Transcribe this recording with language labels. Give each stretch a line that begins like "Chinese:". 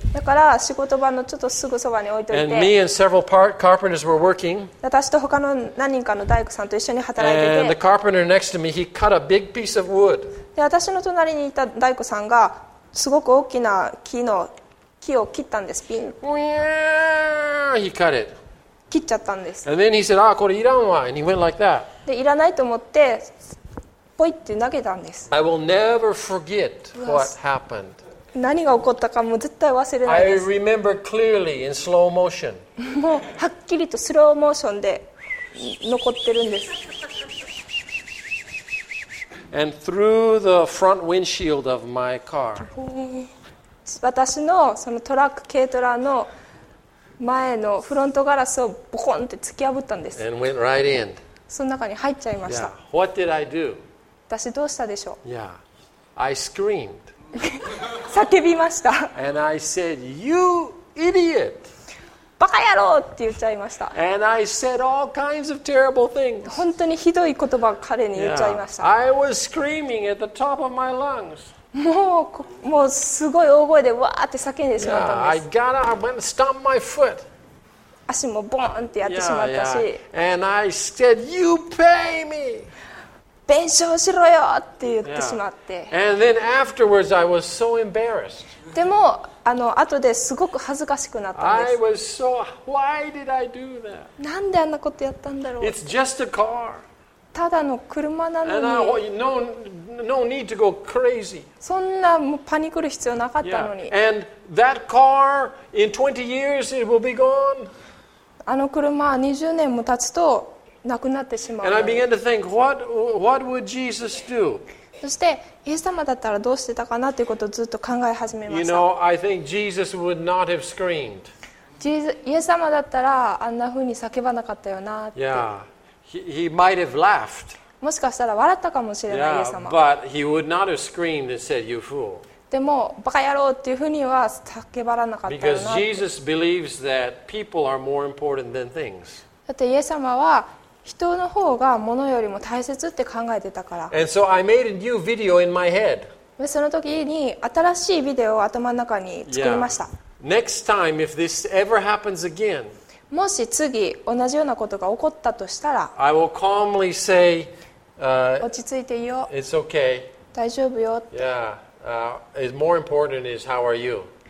Japanese: だから仕事場のちょっとすぐそばに置いておいて。
English: And me and several carpenters were working.
Japanese: 私と他の何人かの大工さんと一緒に働いてて。
English: And the carpenter next to me, he cut a big piece of wood.
Japanese: で私の隣にいた大工さんがすごく大きな木を切ったんです。ピン。
English: He cut it.
Japanese: 切っちゃったんです。
English: And then he said, ah,
Japanese: これいらんわ。
English: And he went like that.
Japanese: で、いらないと思って、ポイって投げたんです。
English: I will never forget what happened.
Japanese: 何が起こったかもう絶対忘れないです。
English: I remember clearly in slow motion.
Japanese: もうはっきりとスローモーションで残ってるんです。
English: And through the front windshield of my car.
Japanese: 私のそのトラック、軽トラの前のフロントガラスをボコンって突き破ったんです。
English: And went right in.
Japanese: その中に入っちゃいました。
English: Yeah. What did I do?
Japanese: 私どうしたでしょう。
English: Yeah. I screamed.
Japanese: 叫びました。
English: And I said, "You idiot!"
Japanese: バカ野郎って言っちゃいました。
English: And I said all kinds of terrible things.
Japanese: 本当にひどい言葉を彼に言っちゃいました。
English: Yeah. I was screaming at the top of my lungs.
Japanese: もうすごい大声でわーって叫んでしまったんです。
English: Yeah, I got up, I went and stomped my foot.
Japanese: 足もボーンってやってしまったし。
English: Yeah, yeah. And I said, "You pay me."
Japanese: 弁償しろよって言ってしまって。
English: Yeah. And then afterwards, I was so embarrassed.
Japanese: でもあの後ですごく恥ずかしくなったんです。
English: I was so. Why did I do that?
Japanese: なんであんなことやったんだろう。
English: It's just a car.
Japanese: ただの車なのに、
English: no need to go crazy.
Japanese: そんなもうパニクる必要なかったのに。
English: Yeah. And that car, in 20 years, it will be gone.
Japanese: あの車20年も経つとなくなってしまう。
English: And I began to think, what would Jesus do?
Japanese: そしてイエス様だったらどうしてたかなということをずっと考え始めました。
English: You know, I think Jesus would not have screamed.
Japanese: イエス様だったらあんな風に叫ばなかったよなって。
English: Yeah. He might have laughed.
Japanese: もしかしたら笑ったかもしれない、
English: yeah,
Japanese: イエス様。
English: But he would not have screamed and said, "You fool."
Japanese: でもバカ野郎っていうふうには叫ばらなかった。
English: Because Jesus believes that people are more important than things.
Japanese: だってイエス様は人の方が物よりも大切って考えてたから。
English: And so I made a new video in my head.
Japanese: でその時に新しいビデオを頭の中に作りました。
English: Yeah. Next time, if this ever happens again.
Japanese: もし次同じようなことが起こったとしたら、
English: I will calmly say,
Japanese: 落ち着いていいよ。
English: It's okay.
Japanese: 大丈夫よって。
English: Yeah. More important is how are you?